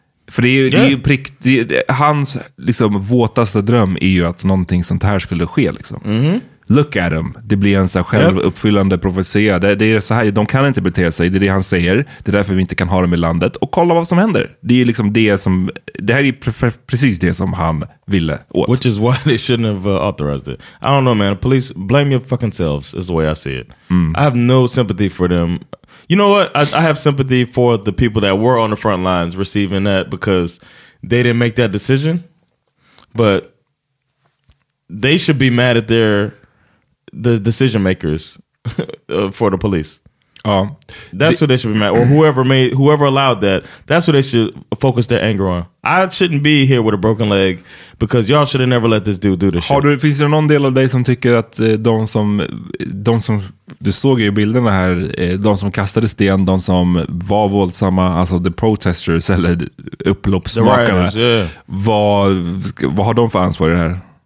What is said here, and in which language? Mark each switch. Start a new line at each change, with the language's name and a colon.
Swedish: För det är ju, det är ju prick, det är, hans liksom våtaste dröm är ju att någonting sånt här skulle ske liksom.
English: Look at him.
Swedish: Det blir en så här självuppfyllande profetia. Det är så här, de kan inte bete sig, det är det han säger. Det är därför vi inte kan ha dem i landet, och kolla vad som händer. Det är liksom det här är precis det som han ville åt.
English: Which is why they shouldn't have authorized it. I don't know, man. Police, blame your fucking selves is the way I see it. I have no sympathy for them. You know what? I have sympathy for the people that were on the front lines receiving that because they didn't make that decision. But they should be mad at the decision makers for the police. That's who they should be mad at. Or whoever allowed that. That's who they should focus their anger on. I shouldn't be here with a broken leg because y'all should have never let this dude do this shit.
Swedish: Finns det någon del av dig som tycker att de som du såg i bilderna här, de som kastade sten, de som var våldsamma, alltså
English: the protesters
Swedish: eller upploppsmakarna, vad har de för ansvar i det här?